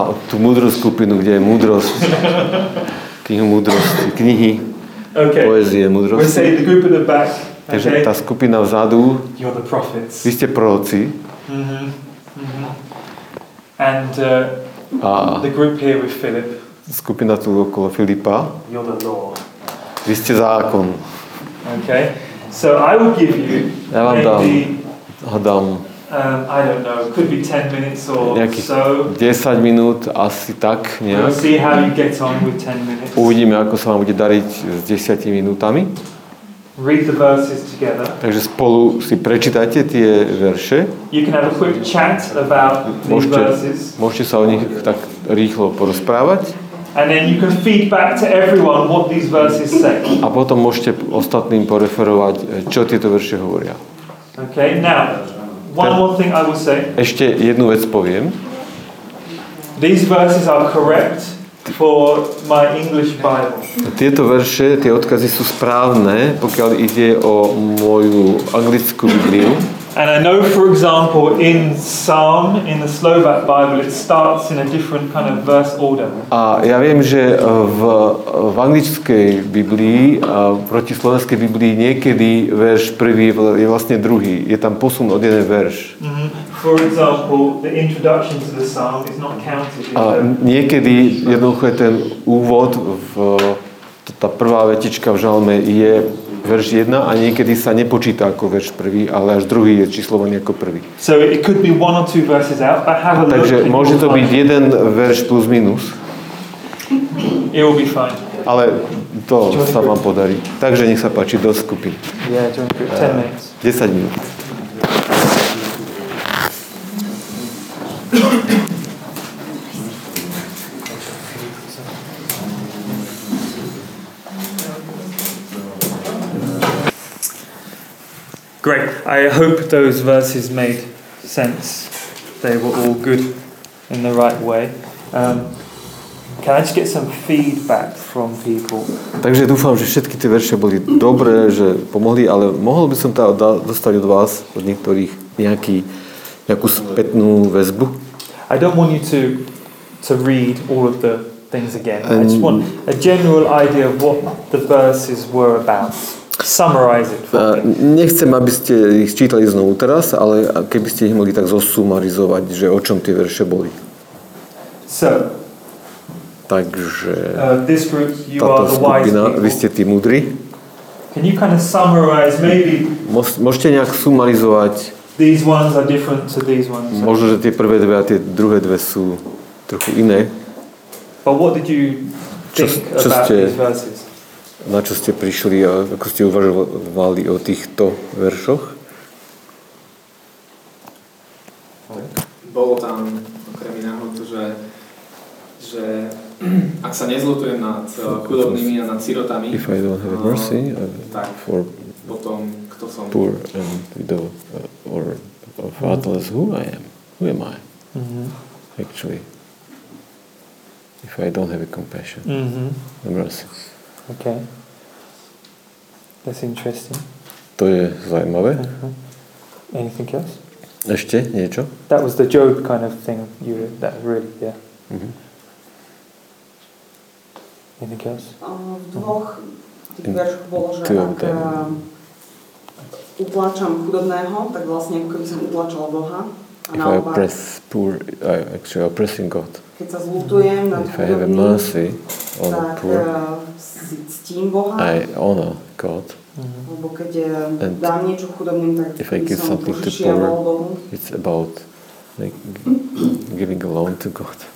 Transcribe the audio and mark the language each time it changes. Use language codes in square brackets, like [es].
[sk] Tú múdru skupinu, kde je múdrosť, knihu múdrosti, knihy, [en] okay. [sk] Poezie, múdrosti. [en] We'll say the group in the back, okay. [sk] Takže tá skupina vzadu, [en] you're the prophets. [sk] Vy ste proroci. [en] And the group here with Philip. [sk] Skupina tu okolo Filipa. [en] You're the law. [sk] Vy ste zákon. [en] Okay. So I will give you, [sk] ja vám dám, hádam, [en] I don't know, could be 10 minutes or [sk] nejakých [en] so. [sk] 10 minút asi tak, nie? [en] We'll see how you get on with 10 minutes. [sk] Uvidíme, ako sa vám bude dariť s 10 minútami. [en] Read the verses together. [sk] Takže spolu si prečítajte tie verše. [en] You can have a quick chat about [sk] môžete, [en] these verses. [sk] Môžete sa o nich tak rýchlo porozprávať. [en] And then you can feed back to everyone what these verses say. [sk] A potom môžete ostatným poreferovať, čo tieto verše hovoria. [en] Okay, now one more thing I will say. [sk] Ešte jednu vec poviem. [en] These verses are correct for my English Bible. [sk] Tieto verše, tie odkazy sú správne, pokiaľ ide o moju anglickú Bibliu. [en] And I know, for example, in Psalm, in the Slovak Bible, it starts in a different kind of verse order. [sk] A ja viem, že v anglickej Biblii, proti slovenskej Biblii, niekedy verš prvý je vlastne druhý. Je tam posun od jeden verš. Mm-hmm. [en] For example, the introduction to the Psalm is not counted. [sk] A niekedy jednoducho je ten úvod, tá prvá vetička v Žalme je verš 1 a niekedy sa nepočíta ako verš 1, ale až druhý je číslovaný ako prvý. [en] So it could be one or two verses out, but have a look. [sk] Takže môže to byť jeden verš plus minus. [en] It will be fine. [sk] Ale to sa vám podarí. Takže nech sa páči, do skupiny. [en] Yeah, 10 minutes. [sk] 10 minút. [en] Great. I hope those verses made sense. They were all good in the right way. Can I just get some feedback from people? [sk] Takže dúfam, že všetky tie verše boli dobré, že pomohli, ale mohol by som dostať od vás, od niektorých, nejakú spätnú väzbu? [en] I don't want you to read all of the things again. I just want a general idea of what the verses were about. Summarize it. [sk] Nechcem, aby ste ich čítali znovu teraz, ale keby ste ich mohli tak zosumarizovať, že o čom tie verše boli. [en] So, [sk] takže [en] this group, you [sk] táto [en] are the [sk] skupina, [en] wise [sk] vy ste tí múdri. [en] Can you kind of summarize, maybe, [sk] môžete nejak sumarizovať? [en] These ones are different to these ones. [sk] Možno, že tie prvé dve a tie druhé dve sú trochu iné. [en] But what did you think about these verses? [sk] Na čo ste prišli a ako ste uvažovali o týchto veršoch? Bolo tam okrem iného to, že ak sa nezlutujem nad chudobnými a nad sirotami, [en] if I don't have mercy, [sk] tak [en] for [sk] potom kto som [en] poor and widow or fatherless, who am I actually if I don't have a compassion, mm-hmm. the mercy. Okay. That's interesting. [sk] To je zaujímavé. [en] Uh-huh. Anything else? [sk] Ešte niečo? [en] That was the Job kind of thing. You read that really, yeah. Uh-huh. Anything else? [sk] V dvoch tých veršoch bolo, že ak utlačam chudobného, tak vlastne ako keby som utlačala Boha. A [en] I oppress poor, I actually oppressing God. [sk] Keď sa zľutujem nad [en] if chudobným, I have mercy on [sk] tak, [en] poor, [sk] ctím Boha. [en] I honor God. [sk] Lebo keď dám niečo chudobným, tak [en] if I give something to poor, Bohu. It's about like giving a loan to God.